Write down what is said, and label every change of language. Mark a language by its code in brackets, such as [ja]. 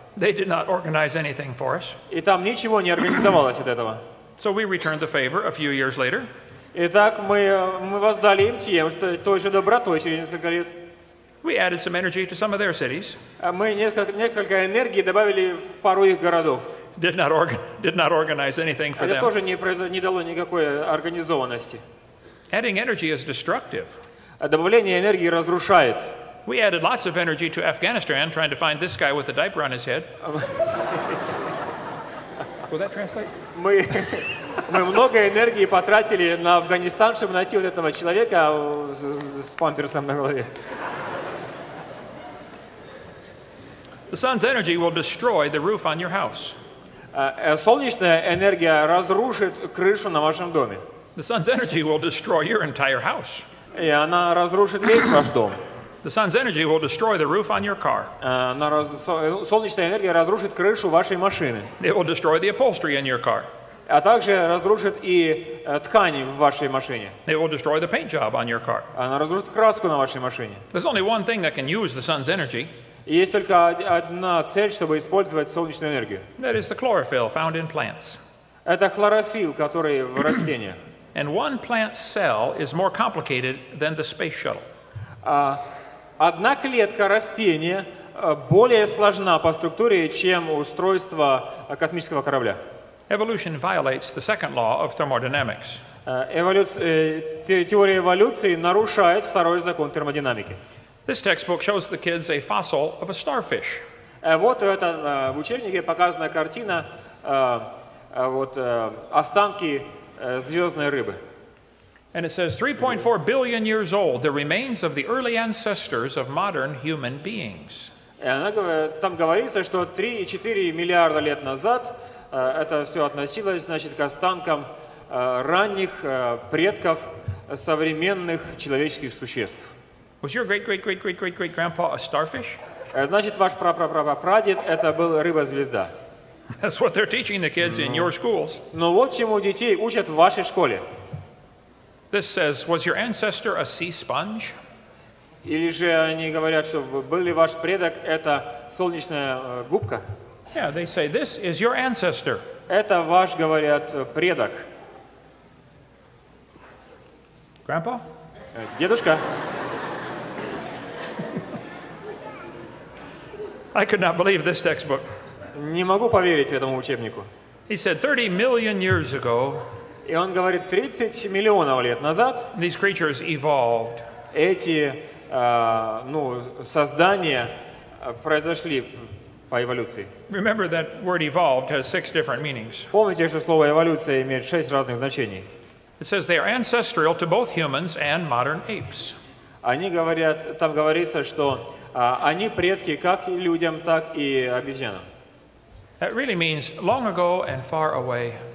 [en] They did not organize anything for us. [ru] И там ничего не организовалось от этого. [en] So we returned the favor a few years later. [ru] Итак, мы воздали им тем, что той же добротой через несколько лет. [en] We added some energy to some of their cities. [ru] Мы несколько энергии добавили в пару их городов. [en] Did not organize anything for them. [ru] Это тоже не дало никакой организованности. [en] Adding energy is destructive. [ru] Добавление энергии разрушает. [en] We added lots of energy to Afghanistan trying to find this guy with a diaper on his head. Will that translate? [ru] Мы много энергии потратили на Афганистан, чтобы найти вот этого человека с памперсом на голове. [en] The sun's energy will destroy the roof on your house. [ru] Солнечная энергия разрушит крышу на вашем доме. [en] The sun's energy will destroy your entire house. [ru] И она разрушит весь ваш дом. [en] The sun's energy will destroy the roof on your car. [ru] Солнечная энергия разрушит крышу вашей машины. [en] It will destroy the upholstery in your car. [ru] А также разрушит и ткани в вашей машине. [en] It will destroy the paint job on your car. [ru] Она разрушит краску на вашей машине. [en] There's only one thing that can use the sun's energy. [ru] Есть только одна цель, чтобы использовать солнечную энергию. [en] That is the chlorophyll found in plants. [ru] Это хлорофилл, который в растениях. [en] And one plant cell is more complicated than the space shuttle. [ru] Одна клетка растения более сложна по структуре, чем устройство космического корабля. [en] Evolution violates the second law of thermodynamics. [ru] Теория эволюции нарушает второй закон термодинамики. [en] This textbook shows the kids a fossil of a starfish. [ru] Вот это в учебнике показана картина вот останки звездной рыбы. [en] And it says 3.4 billion years old, the remains of the early ancestors of modern human beings. [ru] Там говорится, что 3.4 миллиарда лет назад это все относилось, значит, к останкам ранних предков современных человеческих существ. [en] Was your great-great-great-great-great-great-grandpa a starfish? [ru] Значит, ваш прапрапрапрадед это был рыба-звезда. [en] That's what they're teaching the kids in your schools. [ru] Но вот чему детей учат в вашей школе. [en] This says, was your ancestor a sea sponge? [ru] Или же они говорят, что был ли ваш предок это солнечная губка? [en] Yeah, they say, this is your ancestor. [ru] Это ваш, говорят, предок. [en] Grandpa? [ru] Дедушка. [en] I could not believe this textbook. [ru] Не могу поверить этому учебнику. [en] He said 30 million years ago. [ru] И он говорит 30 миллионов лет назад. [en] These creatures evolved. [ru] Эти, ну, создания произошли по эволюции. [en] Remember that word evolved has six different meanings. [ru] Помните, что слово эволюция имеет шесть разных значений. [en] It says they are ancestral to both humans and modern apes. [ru] Они говорят, там говорится, что они предки как людям, так и обезьянам. [en] That really means long ago and far away.